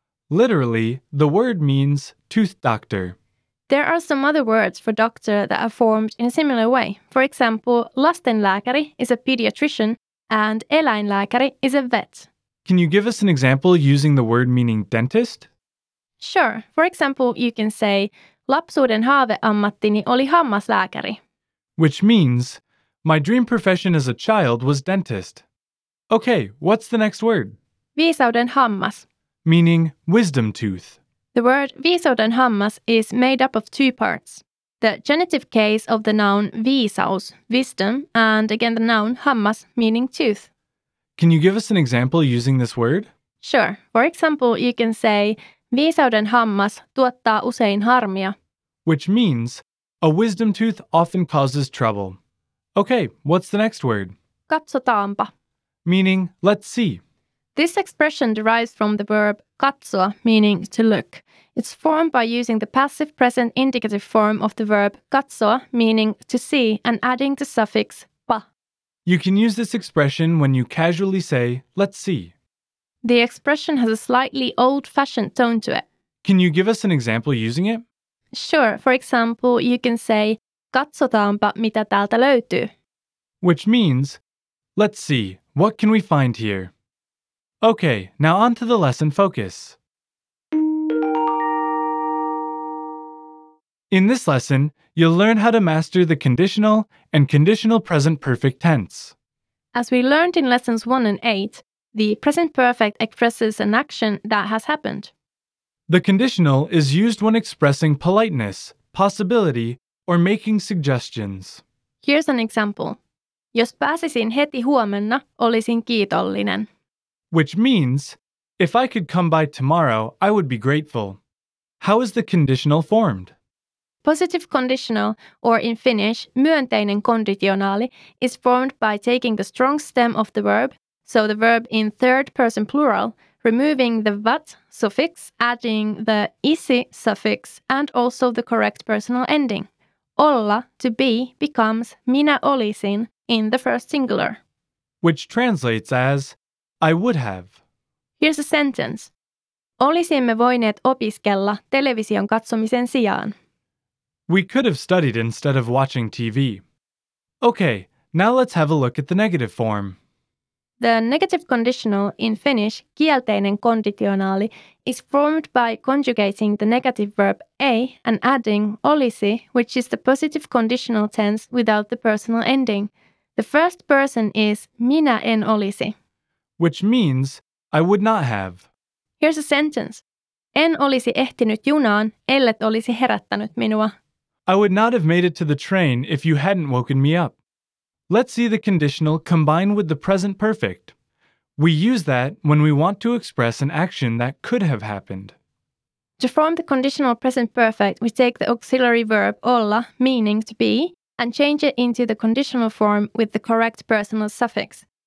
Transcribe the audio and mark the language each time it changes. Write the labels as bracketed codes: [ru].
[en] Literally, the word means tooth doctor. There are some other words for doctor that are formed in a similar way. For example, lastenlääkäri is a pediatrician and eläinlääkäri is a vet. Can you give us an example using the word meaning dentist? Sure. For example, you can say [fi] lapsuuden haaveammattini oli hammaslääkäri. [en] Which means my dream profession as a child was dentist. Okay, what's the next word? [fi] Viisauden hammas. [en] Meaning wisdom tooth. The word viisauden hammas is made up of two parts. The genitive case of the noun viisaus, wisdom, and again the noun hammas, meaning tooth. Can you give us an example using this word? Sure. For example, you can say [fi] viisauden hammas tuottaa usein harmia. [en] Which means a wisdom tooth often causes trouble. Okay, what's the next word? [fi] Katsotaanpa. [en] Meaning, let's see. This expression derives from the verb katsoa, meaning to look. It's formed by using the passive present indicative form of the verb katsoa, meaning to see, and adding the suffix pa. You can use this expression when you casually say, let's see. The expression has a slightly old-fashioned tone to it. Can you give us an example using it? Sure. For example, you can say, [fi] katsotaanpa, mitä täältä löytyy. [en] Which means, let's see, what can we find here? Okay, now on to the lesson focus. In this lesson, you'll learn how to master the conditional and conditional present perfect tense. As we learned in lessons 1 and 8, the present perfect expresses an action that has happened. The conditional is used when expressing politeness, possibility, or making suggestions. Here's an example. [fi] Jos pääsisin heti huomenna, olisin kiitollinen. [en] Which means, if I could come by tomorrow, I would be grateful. How is the conditional formed? Positive conditional, or in Finnish, [fi] myönteinen kondisionaali, [en] is formed by taking the strong stem of the verb, so the verb in third person plural, removing the vat suffix, adding the isi suffix, and also the correct personal ending. Olla, to be, becomes [fi] minä olisin [en] in the first singular. Which translates as, I would have. Here's a sentence. [fi] Olisimme voineet opiskella television katsomisen sijaan. [en] We could have studied instead of watching TV. Okay, now let's have a look at the negative form. The negative conditional in Finnish, [fi] kielteinen konditionaali, [en] is formed by conjugating the negative verb e and adding olisi, which is the positive conditional tense without the personal ending. The first person is [fi] minä en olisi. [en] Which means, I would not have. Here's a sentence. [fi] En olisi ehtinyt junaan, ellet olisi herättänyt minua. [en] I would not have made it to the train if you hadn't woken me up. Let's see the conditional combine with the present perfect. We use that when we want to express an action that could have happened. To form the conditional present perfect, we take the auxiliary verb olla, meaning to be, and change it into the conditional form with the correct personal suffix.